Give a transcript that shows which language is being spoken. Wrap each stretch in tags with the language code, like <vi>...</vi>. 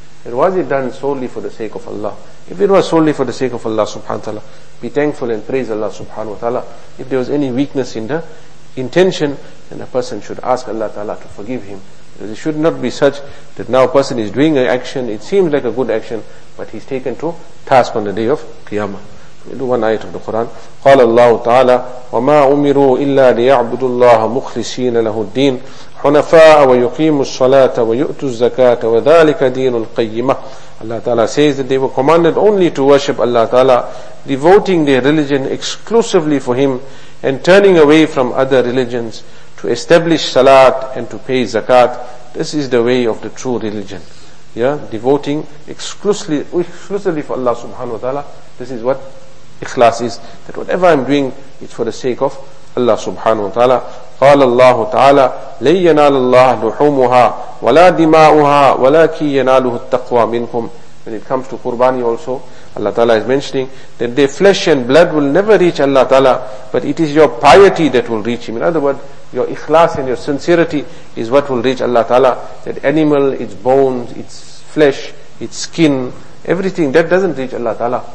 <en>And was it done solely for the sake of Allah? If it was solely for the sake of Allah Subhanahu Wa Ta'ala, be thankful and praise Allah Subhanahu Wa Ta'ala. If there was any weakness in the intention, then a person should ask Allah Ta'ala to forgive him. Because it should not be such that now a person is doing an action, it seems like a good action, but he's taken to task on the day of Qiyamah. We'll do one ayat of the Quran.</en> <ar>قال الله تعالى وما أمروا إلا ليعبدوا الله مخلصين له الدين حنفاء ويقيموا الصلاة ويؤتوا الزكاة وذلك دين القيمة.</ar> <en>Allah Ta'ala says that they were commanded only to worship Allah Ta'ala, devoting their religion exclusively for Him and turning away from other religions, to establish salat and to pay zakat. This is the way of the true religion. Yeah, devoting exclusively for Allah Subhanahu Wa Ta'ala. This is what ikhlas is, that whatever I'm doing, it's for the sake of Allah Subhanahu Wa Ta'ala.</en> <ar>قال الله تعالى لن ينال الله لحومها ولا دماؤها ولكن يناله التقوى منكم.</ar> <en>When it comes to qurbani also, Allah Ta'ala is mentioning that their flesh and blood will never reach Allah Ta'ala, but it is your piety that will reach Him. In other words, your ikhlas and your sincerity is what will reach Allah Ta'ala. That animal, its bones, its flesh, its skin, everything that doesn't reach Allah Ta'ala.</en>